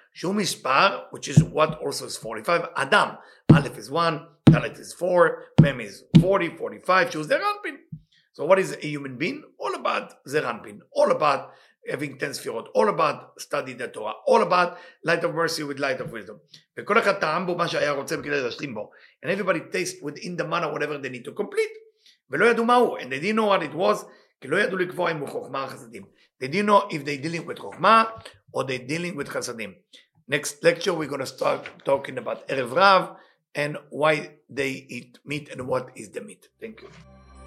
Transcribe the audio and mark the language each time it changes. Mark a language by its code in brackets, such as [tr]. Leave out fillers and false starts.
[en] Shu mispar, which is what also is 45. Adam. Aleph is 1. Dalet is 4. Mem is 40, 45. Shu Zeranpin. So what is a human being? All about Zeranpin. All about having 10 ספירות, all about study the Torah, all about light of mercy with light of wisdom. [he] וכל אחד טעם בו מה שהיה רוצה בכדי להשלים בו. [en] And everybody tastes within the manna whatever they need to complete. [he] ולא ידעו מה הוא, [en] and they didn't know what it was, [he] כי לא ידעו לקבוע אם הוא חוכמה או חסדים. [en] They didn't know if they're dealing with חוכמה or they're dealing with חסדים. Next lecture we're going to start talking about ערב רב and why they eat meat and what is the meat. Thank you.